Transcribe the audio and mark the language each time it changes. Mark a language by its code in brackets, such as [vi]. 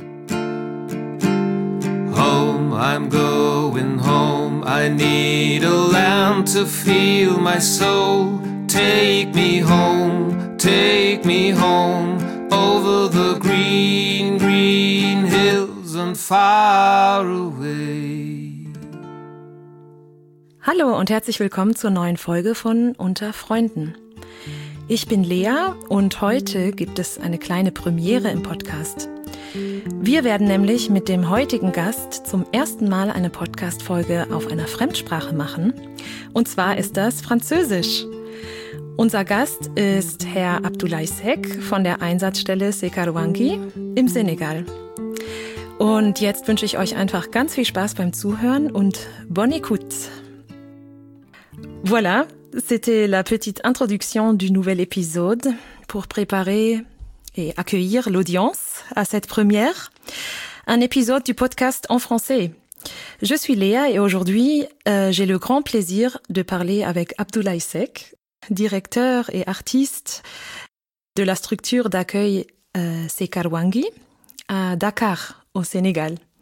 [en] Home, I'm going home. I need a land to feel my soul. Take me home, take me home. Over the green, green hills and far away. [de] Hallo und herzlich willkommen zur neuen Folge von Unter Freunden. Ich bin Lea und heute gibt es eine kleine Premiere im Podcast. Wir werden nämlich mit dem heutigen Gast zum ersten Mal eine Podcast-Folge auf einer Fremdsprache machen. Und zwar ist das Französisch. Unser Gast ist Herr Abdoulaye Seck von der Einsatzstelle Sekarouangi im Senegal. Und jetzt wünsche ich euch einfach ganz viel Spaß beim Zuhören und [fr] bonne écoute. Voilà, c'était la petite introduction du nouvel épisode pour préparer et accueillir l'audience à cette première, un épisode du podcast en français. Je suis Léa et aujourd'hui, j'ai le grand plaisir de parler avec Abdoulaye Seck, directeur et artiste de la structure d'accueil Sekarouangi à Dakar, au Sénégal.